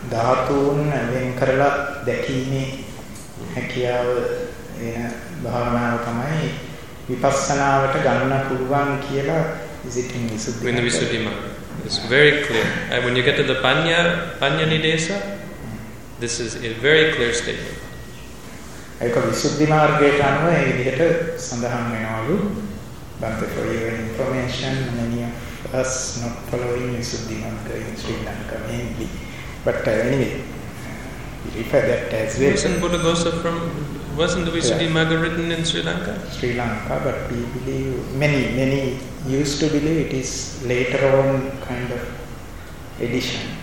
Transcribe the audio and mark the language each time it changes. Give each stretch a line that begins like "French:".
Sinhala: ධාතුන් වෙන් කරලා දැකීමේ හැකියාව එන භාවනාව තමයි විපස්සනාවට ගන්න පුළුවන් කියලා visiting visuddhi.
English: When the visuddhi mark. It's very clear. And when you get to the panya nidesa, this is a very clear statement.
Sinhala: ඒක විසුද්ධි මාර්ගයට අනුව ඒ විදිහට සඳහන් වෙනවලු.
English: But for your information, many of us not following visuddhi marga in Sri Lanka mainly. But anyway, we refer that as well. Wasn't Buddha Gosa from, wasn't the Visuddhi Magga written in Sri Lanka? Sri Lanka, but we believe, many used to believe it is later on kind of edition.